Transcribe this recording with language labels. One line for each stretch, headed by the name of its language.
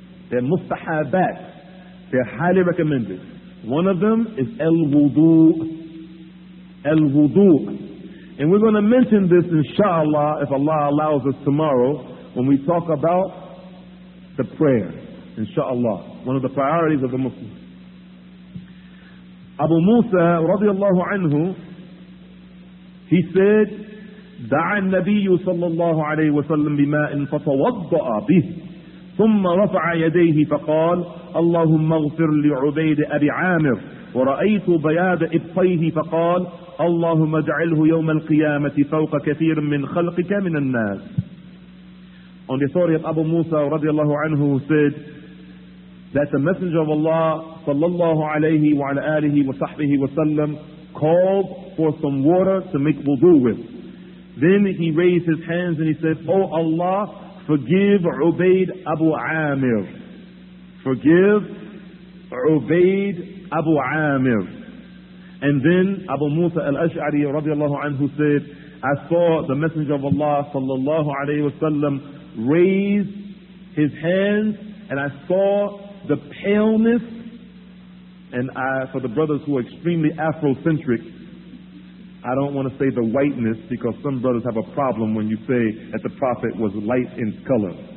English: They're mustahabat. They're highly recommended. One of them is al-wudu. Al-wudu. And we're going to mention this, inshallah, if Allah allows us, tomorrow, when we talk about the prayer, inshallah, one of the priorities of the Muslim. Abu Musa, radiallahu anhu, he said,
Arabic: دَعَى النَّبِيُّ صَلَّى اللَّهُ عَلَيْهِ وَسَلَّمْ بِمَاءٍ فَتَوَضَّأَ بِهِ ثُمَّ رَفَعَ يَدَيْهِ فَقَالَ اللَّهُمَّ اغْفِرْ لِعُبَيْدِ أَبِي عَامِرٍ وَرَأَيْتُ بَيَادَ إِبْطَيْهِ فَقَالَ اللَّهُمَّ اجْعَلْهُ يَوْمَ الْقِيَامَةِ فَوْقَ كَثِيرٍ مِّنْ خَلْقِكَ مِنَ النَّاسِ.
English: On the story of Abu Musa
Arabic: رضي الله عنه,
English: who said that the Messenger of Allah
Arabic: صلى الله عليه وعلى آله وصحبه وسلم
English: called for some water to make wudu with. Then he raised his hands and he said, O Allah, forgive Ubayd Abu Amir. Forgive Ubayd Abu Amir. And then Abu Musa al-Ash'ari radiallahu anhu said, I saw the Messenger of Allah sallallahu alayhi wa sallam raise his hands, and I saw the paleness, and I, for the brothers who are extremely Afrocentric, I don't want to say the whiteness, because some brothers have a problem when you say that the Prophet was light in color.